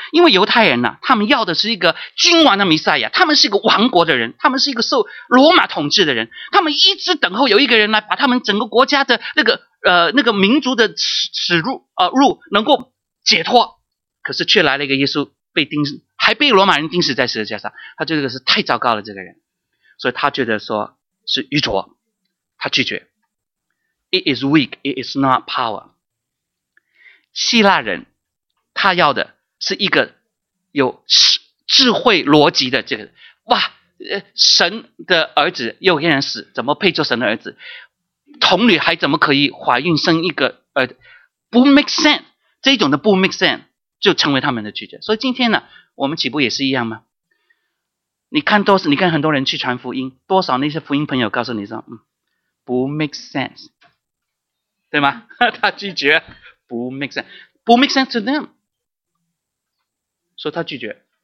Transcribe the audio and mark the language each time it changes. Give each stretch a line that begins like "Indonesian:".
Chinese: 因为犹太人呢，他们要的是一个君王的弥赛亚，他们是一个王国的人，他们是一个受罗马统治的人，他们一直等候有一个人来把他们整个国家的那个民族的耻辱能够解脱。可是却来了一个耶稣，被钉，还被罗马人钉死在十字架上。他觉得这个是太糟糕了，这个人，所以他觉得说是愚拙，他拒绝。
English: It is weak, it is not power.
Chinese: 希腊人他要的是一个有智慧逻辑的这个，哇，神的儿子又有人死，怎么配做神的儿子？童女还怎么可以怀孕生一个儿子？不 make sense， 这种的不 make sense。就成为他们的拒绝。所以今天呢，我们岂不也是一样吗？你看很多人去传福音，多少那些福音朋友告诉你说，不 make sense， 对吗？他拒绝，不
English: make sense to them，
Chinese: 说他拒绝。